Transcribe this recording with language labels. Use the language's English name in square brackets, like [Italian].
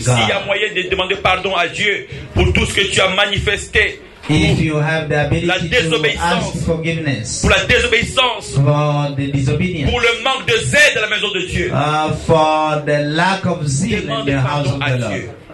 [French] S'il y a moyen de demander pardon à Dieu pour tout ce que tu as manifesté. [English] If you have the ability to ask forgiveness [French] pour la désobéissance, [English] for the disobedience, [French] pour le manque de zèle dans la maison de Dieu, [English] for the lack of zeal in the house of the Lord.